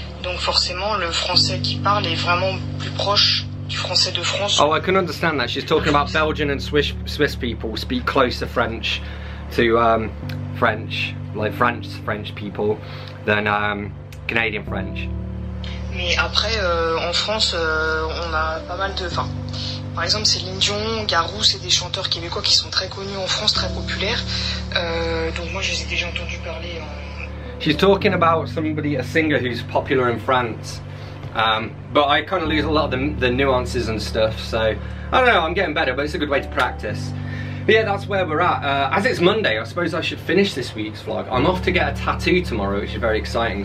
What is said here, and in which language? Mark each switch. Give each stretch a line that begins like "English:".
French: Donc forcément, le français qu'il parle est vraiment plus proche du français de France.
English: Oh, I can understand that. She's talking about Belgian and Swiss people speak closer French to French, like French people, than Canadian French.
French: Mais après, en France, on a pas mal de... Enfin, par exemple, Céline Dion, Garou, c'est des chanteurs québécois qui sont très connus en France, très populaires. Donc moi, je les ai déjà entendus parler en...
English: She's talking about somebody, a singer who's popular in France. But I kind of lose a lot of the nuances and stuff, so I don't know, I'm getting better, but it's a good way to practice. But yeah, that's where we're at. As it's Monday, I suppose I should finish this week's vlog. I'm off to get a tattoo tomorrow, which is very exciting.